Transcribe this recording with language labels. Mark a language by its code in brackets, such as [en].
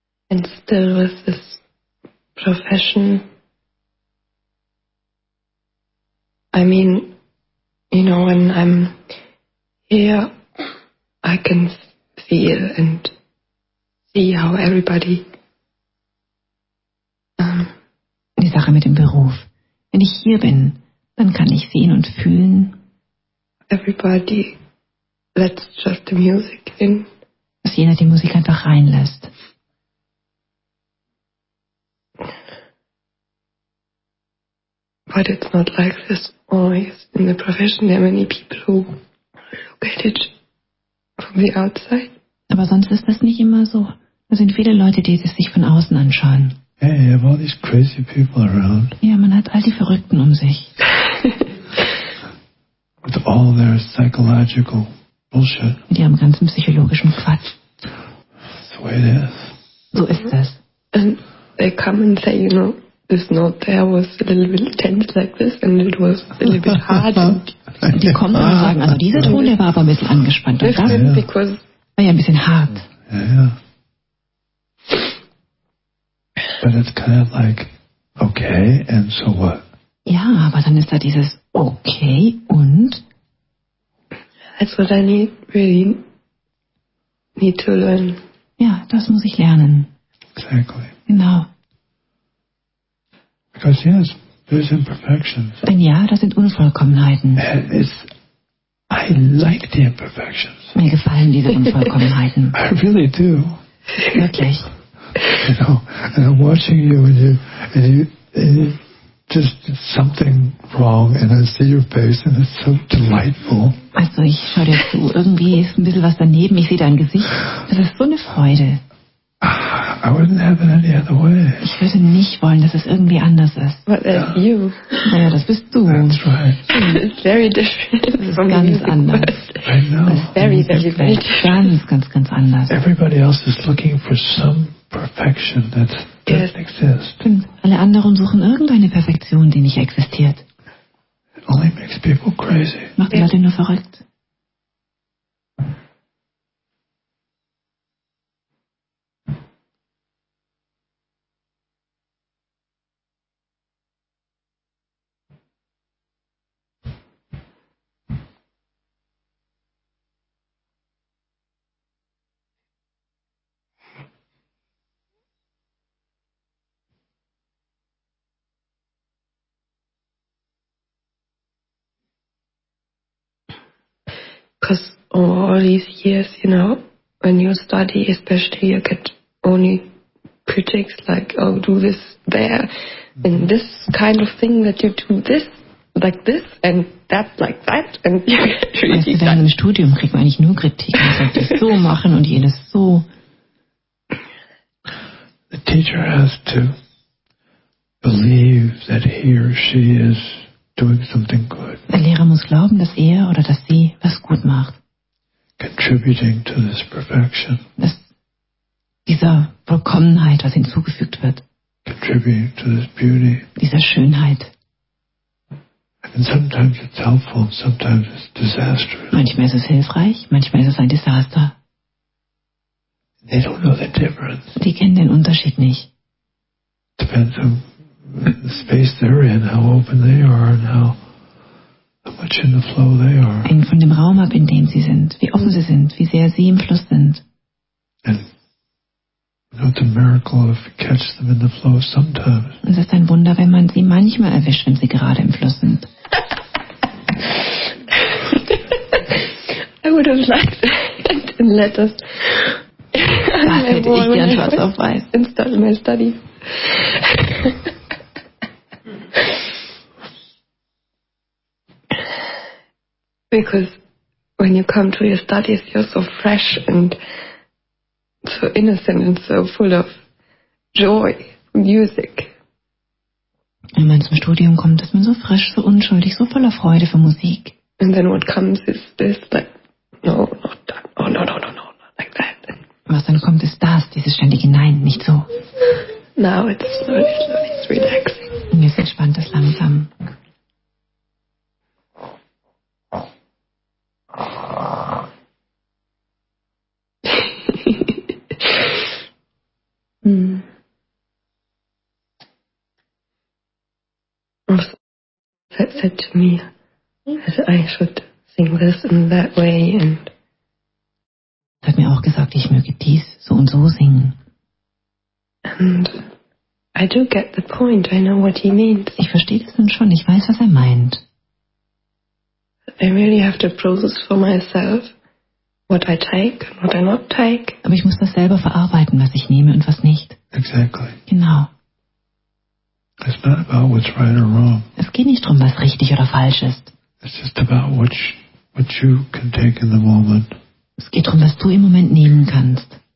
[en] And still with this profession, I mean, you know, when I'm here, I can feel and see how everybody... [de] Die Sache mit dem Beruf. Wenn ich hier bin, dann kann ich sehen und fühlen. [en] Everybody lets just the music in. [de] Dass jeder die Musik einfach reinlässt. [en] But it's not like this always in the profession. There are many people who look at it from the outside. [de] Aber sonst ist das nicht immer so. Da sind viele Leute, die es sich von außen anschauen. [en] Hey, you have all these crazy people around. [de] Ja, man hat all die Verrückten um sich. [en] With all their psychological bullshit. [de] Mit ihrem ganzen psychologischen Quatsch. [en] That's the way it is. [de] So ist das. [en] And they come and say, you know, this note there was a little bit tense like this, and it was a little bit hard. [de] Die kommen und sagen, also dieser Ton, der war aber ein bisschen angespannt. Und das war ja ein bisschen hart. [en] Yeah. But it's kind of like, okay, and so what? [de] Ja, aber dann ist da dieses, okay, und? [en] That's what I really need to learn. [de] Ja, das muss ich lernen. [en] Exactly. [de] Genau. [en] Because yes, there's imperfections. [de] Denn ja, das sind Unvollkommenheiten. [en] And it's, I like the imperfections. [de] Mir gefallen diese Unvollkommenheiten. [en] I really do. [de] Wirklich. [en] You know, and I'm watching you and you just something wrong and I see your face and it's so delightful. [de] Also ich schaue dir zu, irgendwie ist ein bisschen was daneben, ich sehe dein Gesicht. Das ist so eine Freude. [en] I wouldn't have it any other way. [de] Ich würde nicht wollen, dass es irgendwie anders ist. [en] But that's you. [de] Naja, das bist du. [en] That's right. It's very different. [de] Das ist ganz anders. [en] I know. It's very, very different. [de] Ganz, ganz, ganz anders. [en] Everybody else is looking for some perfection that doesn't exist. [de] Alle anderen suchen irgendeine Perfektion, die nicht existiert. [en] It only makes people crazy. [de] Macht die Leute nur verrückt. [en] Because all these years, you know, when you study, especially you get only critics like, oh, do this there, and this kind of thing that you do this, like this, and that, like that, and you get really [de] weißt du, dann im Studium kriegt man eigentlich nur Kritik, man sagt, das so machen und jenes so. [en] The teacher has to believe that he or she is doing something good. [de] Der Lehrer muss glauben, dass er oder dass sie was gut macht. [en] Contributing to this perfection. [de] Dass dieser Vollkommenheit, was hinzugefügt wird. [en] Contributing to this beauty. [de] Dieser Schönheit. [en] And sometimes it's helpful, sometimes it's disastrous. [de] Manchmal ist es hilfreich, manchmal ist es ein Desaster. [en] They don't know the difference. [de] Die kennen den Unterschied nicht. [en] Depends on the space they're in, how open they are, and how much in the flow they are. [de] Hängt von dem Raum ab, in dem sie sind, wie offen sie sind, wie sehr sie im Fluss sind. [en] And about the miracle of catch them in the flow sometimes. [de] Es ist ein Wunder, wenn man sie manchmal erwischt, wenn sie gerade im Fluss sind. [en] I would have liked that in letters. [de] Das hätte ich gern schwarz auf weiß. [en] Instead of my study. Because when you come to your studies, you're so fresh and so innocent and so full of joy, music. [de] Wenn man zum Studium kommt, ist man so frisch, so unschuldig, so voller Freude für Musik. [en] And then what comes is this, like, no, not that, oh no, no, no, no, not like that. [de] Was dann kommt, ist das, dieses ständige Nein, nicht so. [en] Now it's slowly, slowly, it's relaxing. [de] Jetzt entspannt es langsam. [en] That said to me that I should sing this in that way, and [de] hat mir auch gesagt, ich möge dies so und so singen. [en] And I do get the point. I know what he means. [de] Ich verstehe das dann schon. Ich weiß, was er meint. [en] I really have to process for myself what I take and what I not take. [de] Aber ich muss das selber verarbeiten, was ich nehme und was nicht. [en] Exactly. [de] Genau. [en] It's not about what's right or wrong. [de] Es geht nicht darum, was richtig oder falsch ist. [en] It's just about what you can take in the moment. [de] Es geht darum, was du im Moment nehmen kannst.